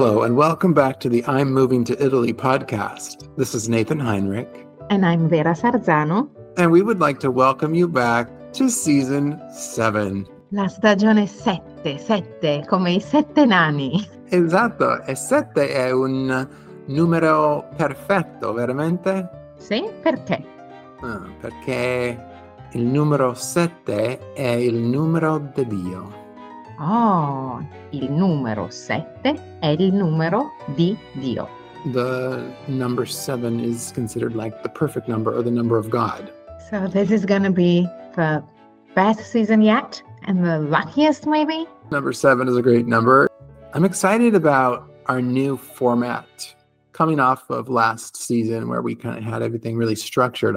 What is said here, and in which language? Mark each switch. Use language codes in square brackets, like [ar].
[en] Welcome back to the I'm Moving to Italy podcast. This is Nathan Heinrich. And I'm Vera Sarzano. And we would like to welcome you back to season 7. [it] La stagione 7, come i 7 nani. Esatto, e 7 è un numero perfetto, veramente? Sì, perché? Perché il numero 7 è il numero di Dio. Oh, il numero 7 è il numero di Dio. [en] The number 7 is considered like the perfect number or the number of God. So this is going to be the best season yet and the luckiest maybe? Number 7 is a great number. I'm excited about our new format coming off of last season where we kind of had everything really structured.